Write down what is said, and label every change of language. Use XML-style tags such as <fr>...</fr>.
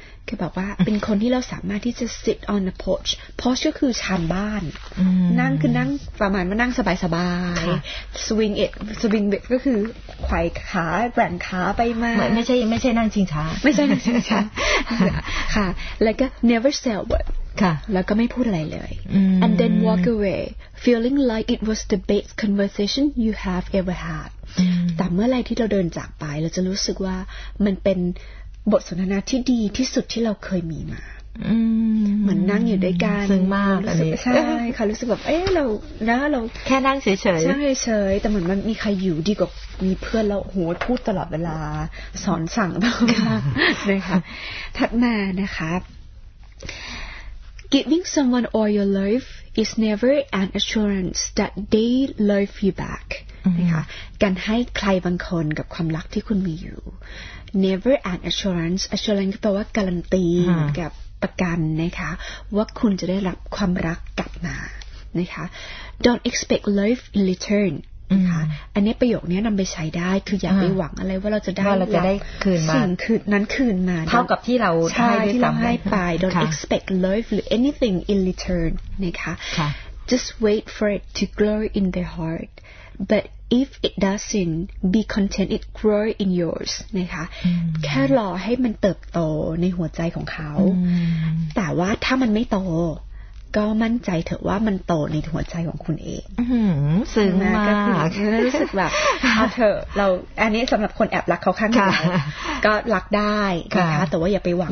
<th>ก็บอกว่าเป็นคนที่เราสามารถที่จะ</th> <en>sit on the porch.</en> <th>Porch ก็คือชานบ้านนั่งคือนั่งประมาณว่านั่งสบายๆ</th> <en>swing it swing with</en> <th>ก็คือไขว้ขาแกว่งขาไปมา ไม่ใช่นั่งชิงช้า ไม่ใช่นั่งชิงช้าค่ะแล้วก็</th> <en>never say a word</en> <th>ค่ะ แล้วก็ไม่พูดอะไรเลย</th> <en>and then walk away feeling like it was the best conversation you have ever had</en> <th>แต่ แต่เมื่อไรที่เราเดินจากไปเราจะรู้สึกว่ามันเป็นบทสนทนาที่ดีที่สุดที่เราเคยมีมาเหมือนนั่งอยู่ด้วยกัน ซึ้งมาก เลยใช่ค่ะรู้สึกแบบเอ๊ะเรา แค่นั่งเฉย ๆใช่เฉยแต่เหมือนมันมีใครอยู่ดีกว่ามีเพื่อนแล้วหัวพูดตลอดเวลาสอนสั่งเรานะคะถัดมานะคะ</th> <en>giving someone all your life is never an assurance that they love you back</en> <th>นะคะการให้ใครบางคนกับความรักที่คุณมีอยู่</th> <en>never an assurance assurance</en> <th>ก็แปลว่าการันตีกับประกันนะคะว่าคุณจะได้รับความรักกลับมานะคะ</th> <en>don't expect love in return</en> <th>นะคะอันนี้ประโยคนี้นำไปใช้ได้คืออย่าไปหวังอะไรว่าเราจะได้ ว่าเราจะได้คืนมา สิ่งคืนนั้นคืนมา เท่ากับที่เรา ใช่ที่เราให้ไป</th> <en>don't expect love</en> <th>หรือ</th> <en>anything in return</en> <th>นะ คะ</th> <en>just wait for it to grow in their heart butIf it doesn't, be content it grow in yours.</en> <th>นะคะ แค่รอให้มันเติบโตในหัวใจของเขา แต่ว่าถ้ามันไม่โตก็มั่นใจเถอะว่ามันโตในหัวใจของคุณเอง ซึ้งมาก รู้สึกแบบเอาเถอะเราอันนี้สำหรับคนแอบรักเขาข้างในก็รักได้นะคะแต่ว่าอย่าไปหวัง</th>